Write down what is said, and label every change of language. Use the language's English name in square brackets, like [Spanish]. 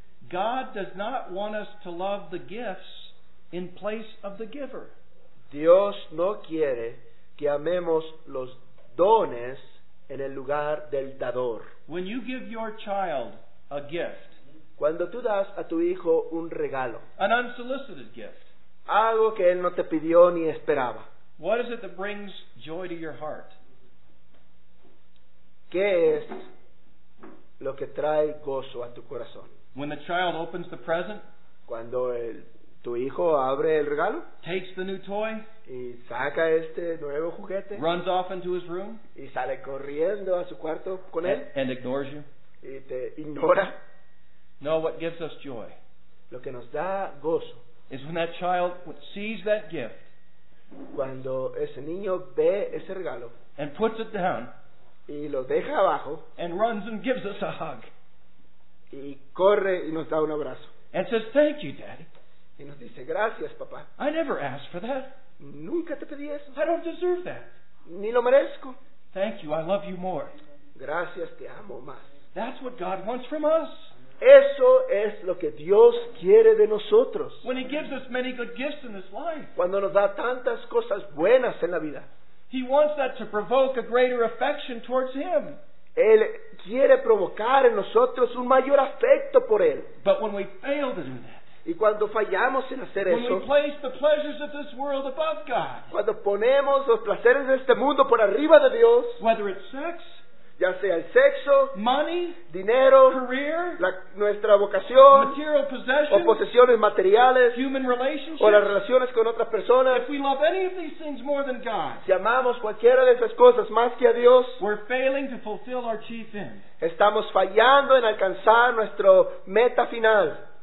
[English] God does not want us to love the gifts in place of the giver. [Spanish] Dios no quiere que amemos los dones en el lugar del dador. [English] When you give your child a gift, [Spanish] cuando tú das a tu hijo un regalo, [English] an unsolicited gift, [Spanish] algo que él no te pidió ni esperaba, [English] what is it that brings joy to your heart? [Spanish] ¿Qué es lo que trae gozo a tu corazón? [English] When the child opens the present, [Spanish] cuando tu hijo abre el regalo, [English] takes the new toy, [Spanish] y saca este nuevo juguete, [English] runs off into his room, [Spanish] y sale corriendo a su cuarto con él, [English] and ignores you, [Spanish] y te ignora. [English] No, what gives us joy, [Spanish] lo que nos da gozo, [English] is when that child sees that gift, [Spanish] cuando ese niño ve ese regalo, [English] and puts it down, [Spanish] y lo deja abajo, [English] and runs and gives us a hug, [Spanish] y corre y nos da un abrazo, [English] and says, "Thank you, Daddy." [Spanish] Y nos dice, "Gracias, papá." [English] I never asked for that. [Spanish] Nunca te pedí eso. [English] I don't deserve that. [Spanish] Ni lo merezco. [English] Thank you. I love you more. [Spanish] Gracias, te amo más. [English] That's what God wants from us. [Spanish] Eso es lo que Dios quiere de nosotros. [English] When He gives us many good gifts in this life. [Spanish] Cuando nos da tantas cosas buenas en la vida. [English] He wants that to provoke a greater affection towards Him. [Spanish] Él quiere provocar en nosotros un mayor afecto por Él. [English] But when we fail to do that. [Spanish] Y cuando fallamos en hacer [English] when [Spanish] eso, [English] we place the pleasures of this world above God, [Spanish] cuando ponemos los placeres de este mundo por arriba de Dios, [English] whether it's sex, [Spanish] ya sea el sexo, [English] money, [Spanish] dinero, [English] career, [Spanish] nuestra vocación, [English] material possessions, [Spanish] o posesiones materiales, [English] human relationships, [Spanish] o las relaciones con otras personas, [English] if we love any of these things more than God, [Spanish] si amamos cualquiera de esas cosas más que a Dios, [English] we're failing to fulfill our chief end. [Spanish] Estamos fallando en alcanzar nuestro meta final.